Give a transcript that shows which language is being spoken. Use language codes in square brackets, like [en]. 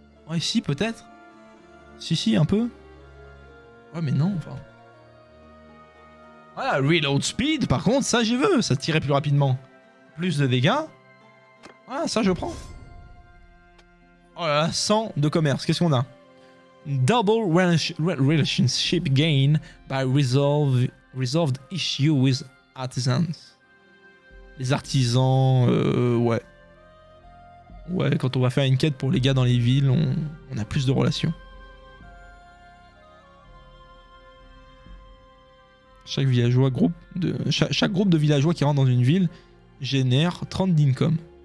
[fr] Ouais, si, peut-être. Si, un peu. Ouais, mais non, enfin. Voilà, reload speed, par contre, ça j'y veux, ça tirait plus rapidement. Plus de dégâts. Voilà, ça je prends. Oh là là, 100 de commerce, qu'est-ce qu'on a? [en] Double relationship gain by resolved issue with artisans. [fr] Les artisans, ouais. Ouais, quand on va faire une quête pour les gars dans les villes, on a plus de relations. Chaque villageois groupe de chaque groupe de villageois qui rentre dans une ville génère 30 d'income.